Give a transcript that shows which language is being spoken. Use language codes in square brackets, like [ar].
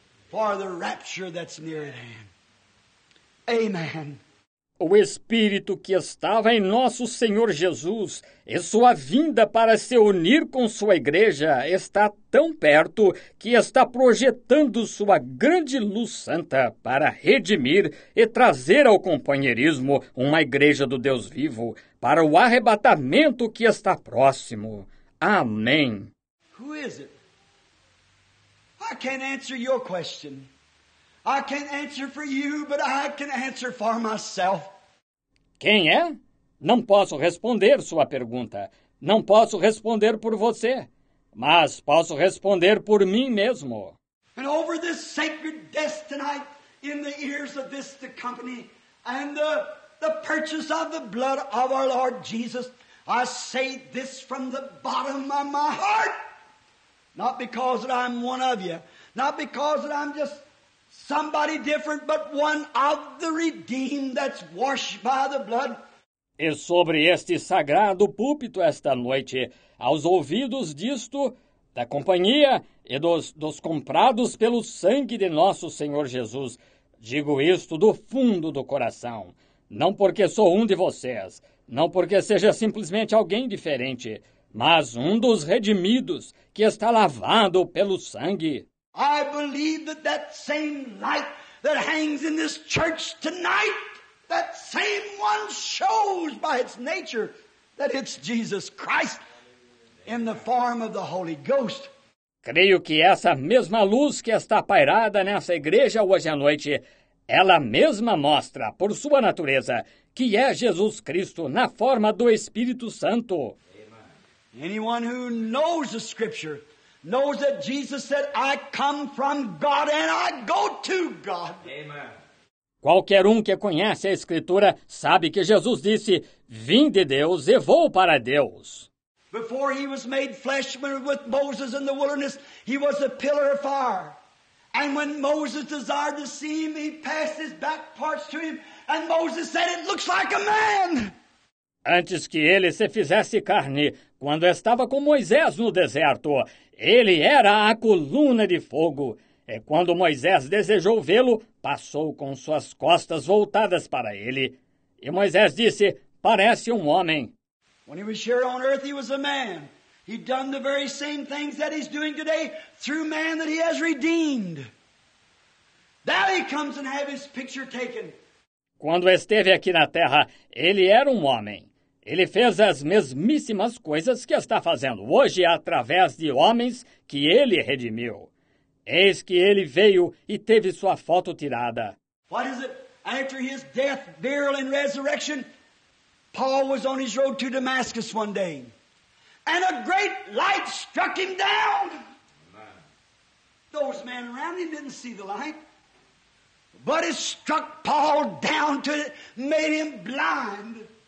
[en] For the rapture that's near at hand. Amen. [pt] O Espírito que estava em nosso Senhor Jesus e sua vinda para se unir com sua igreja está tão perto que está projetando sua grande luz santa para redimir e trazer ao companheirismo uma igreja do Deus vivo para o arrebatamento que está próximo. Amém. [en] Who is it? I can't answer your question. I can't answer for you, but I can answer for myself. [pt] Quem é? Não posso responder sua pergunta. Não posso responder por você. Mas posso responder por mim mesmo. [en] And over this sacred desk tonight, in the ears of this the company, and the purchase of the blood of our Lord Jesus, I say this from the bottom of my heart. Not because that I'm one of you. Not because that I'm just somebody different, but one of the redeemed that's washed by the blood. [pt] E sobre este sagrado púlpito esta noite, aos ouvidos disto, da companhia e dos comprados pelo sangue de nosso Senhor Jesus, Digo isto do fundo do coração, não porque sou um de vocês, não porque seja simplesmente alguém diferente, mas um dos redimidos que está lavado pelo sangue. [en] I believe that that same light that hangs in this church tonight, that same one shows by its nature that it's Jesus Christ in the form of the Holy Ghost. [pt] Creio que essa mesma luz que está pairada nessa igreja hoje à noite, ela mesma mostra, por sua natureza, que é Jesus Cristo na forma do Espírito Santo. [en] Anyone who knows the scripture knows that Jesus said, I come from God and I go to God. [pt] Qualquer um que conhece a escritura sabe que Jesus disse, vim de Deus e vou para Deus. [en] Before he was made flesh with Moses in the wilderness, he was a pillar of fire. And when Moses desired to see him, he passed his back parts to him. And Moses said, it looks like a man. [pt] Antes que ele se fizesse carne, quando estava com Moisés no deserto, ele era a coluna de fogo. E quando Moisés desejou vê-lo, passou com suas costas voltadas para ele. E Moisés disse, parece um homem. [en] When he was here on earth, he was a man. He'd done the very same things that he's doing today through man that he has redeemed. Now he comes and have his picture taken. [pt] Quando esteve aqui na terra, ele era um homem. Ele fez as mesmíssimas coisas que está fazendo hoje através de homens que ele redimiu. Eis que ele veio e teve sua foto tirada. [en] What is it? After his death, burial, and resurrection, Paul was on his road to Damascus one day, and a great light struck him down. Amen. Those men around him didn't see the light, but it struck Paul down to it, made him blind.